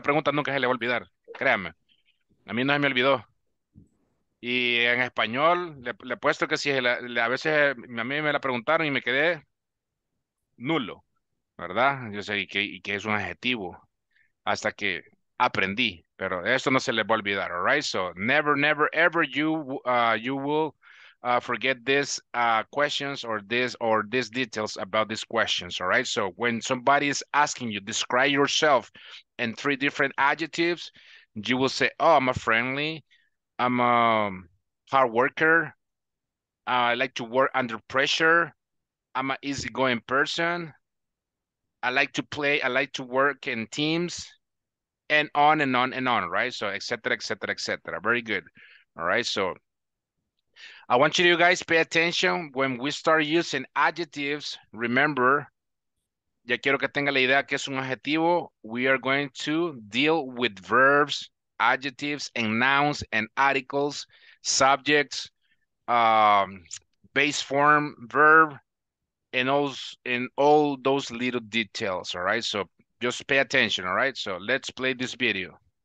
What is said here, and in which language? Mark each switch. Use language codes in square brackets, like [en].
[es] Esta pregunta nunca se le va a olvidar, créame. A mí no se me olvidó. Y en español, le apuesto que si a veces a mí me la preguntaron y me quedé nulo, ¿verdad? Yo sé que es un adjetivo, hasta que aprendí. Pero eso no se le va a olvidar, all right? [en] So, never, ever you will forget these questions or these details about these questions, all right? So when somebody is asking you, describe yourself in three different adjectives, you will say, oh, I'm a friendly, I'm a hard worker, I like to work under pressure, I'm an easygoing person, I like to work in teams, and on, right? So et cetera, et cetera, et cetera. Very good, all right? So I want you guys pay attention when we start using adjectives. [es] Remember, ya quiero que tenga la idea que es un adjetivo. [en] We are going to deal with verbs, adjectives, and nouns, and articles, subjects, base form, verb, and all those little details, all right? So just pay attention, all right? So let's play this video.